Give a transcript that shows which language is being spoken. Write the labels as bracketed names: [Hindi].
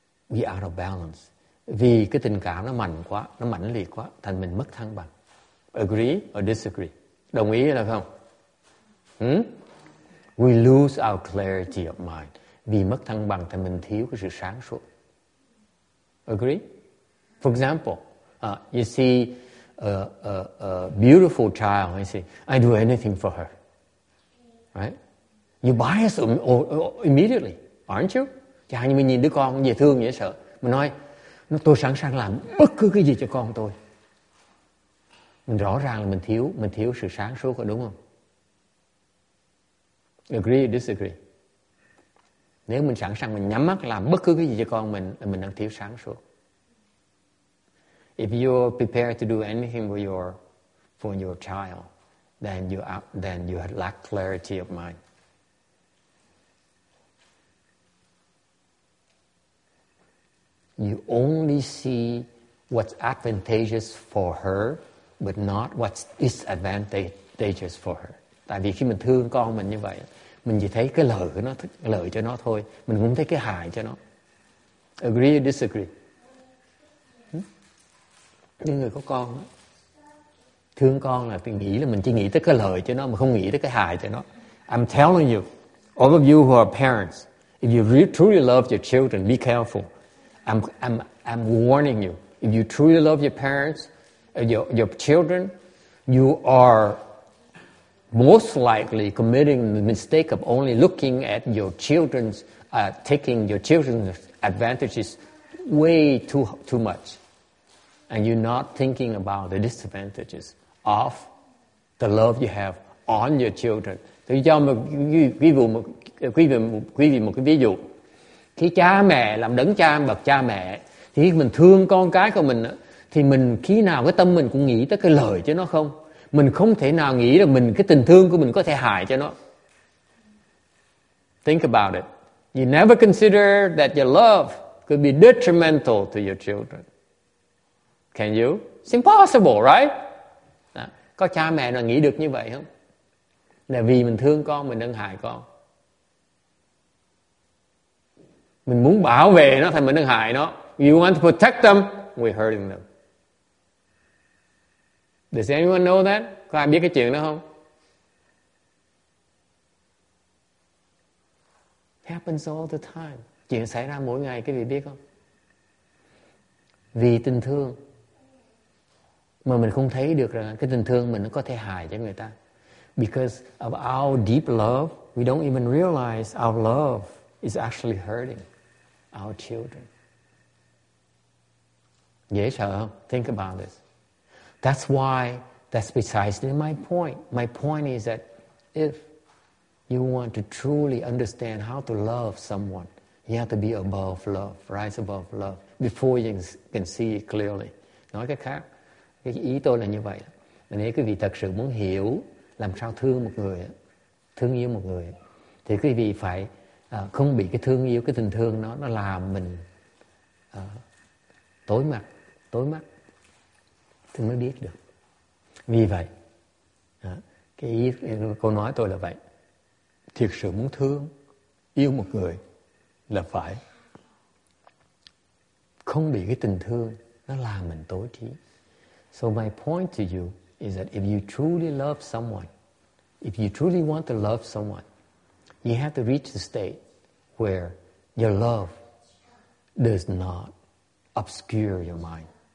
[English] we are out of balance. [Vietnamese] Vì cái tình cảm nó mạnh quá, nó mạnh liệt quá, thành mình mất thăng bằng. [English] Agree or disagree? [Vietnamese] Đồng ý là không? [English] We lose our clarity of mind. [Vietnamese] Vì mất thăng bằng thì mình thiếu cái sự sáng suốt. [English] Agree? For example, you see a beautiful child, and you say, I do anything for her. Right? You bias immediately, aren't you? [Vietnamese] Chẳng như mình nhìn đứa con dễ thương, dễ sợ. Mình nói, tôi sẵn sàng làm bất cứ cái gì cho con tôi. Mình rõ ràng là mình thiếu sự sáng suốt rồi, đúng không? [English] Agree or disagree? [Vietnamese] Nếu mình sẵn sàng mình nhắm mắt làm bất cứ cái gì cho con mình là mình đang thiếu sáng suốt. [English] If you're prepared to do anything for your child, then you lack clarity of mind. You only see what's advantageous for her, but not what's disadvantageous for her. [Vietnamese] Tại vì khi mình thương con mình như vậy, mình chỉ thấy cái lợi của nó, lợi cho nó thôi. Mình không thấy cái hại cho nó. [English] Agree or disagree? [Vietnamese] Những người có con đó, thương con là tôi nghĩ là mình chỉ nghĩ tới cái lợi cho nó mà không nghĩ tới cái hại cho nó. [English] I'm telling you, all of you who are parents, if you really truly love your children, be careful. I'm warning you. If you truly love your parents, your children, you are most likely committing the mistake of only looking at your children's taking your children's advantages way too much, and you're not thinking about the disadvantages of the love you have on your children. [Vietnamese] Tôi cho một quý vị một cái ví dụ. Khi cha mẹ làm đấng cha bậc cha mẹ, thì mình thương con cái của mình, thì mình khi nào cái tâm mình cũng nghĩ tới cái lợi cho nó không. Mình không thể nào nghĩ là mình cái tình thương của mình có thể hại cho nó. [English] Think about it. You never consider that your love could be detrimental to your children. Can you? It's impossible, right? [Vietnamese] À, có cha mẹ nào nghĩ được như vậy không? Là vì mình thương con, mình đang hại con. Mình muốn bảo vệ nó, thì mình đang hại nó. [English] You want to protect them, we're hurting them. Does anyone know that? [Vietnamese] Có ai biết cái chuyện đó không? [English] Happens all the time. [Vietnamese] Chuyện xảy ra mỗi ngày, quý vị biết không? Vì tình thương mà mình không thấy được rằng cái tình thương mình nó có thể hại cho người ta. [English] Because of our deep love, we don't even realize our love is actually hurting our children. [Vietnamese] Dễ sợ không? [English] Think about this. That's why, that's precisely my point. My point is that if you want to truly understand how to love someone, you have to be above love, rise above love, before you can see it clearly. [Vietnamese] Nói cách khác, cái ý tôi là như vậy. Nếu quý vị thật sự muốn hiểu làm sao thương một người, thương yêu một người, thì quý vị phải không bị cái thương yêu, cái tình thương nó làm mình tối mắt. Thì mới biết được. Vì vậy, cái ý cô nói tôi là vậy. Thiệt sự muốn thương, yêu một người là phải không bị cái tình thương nó làm mình tối trí. [English] So my point to you is that if you truly love someone, if you truly want to love someone, you have to reach the state where your love does not obscure your mind.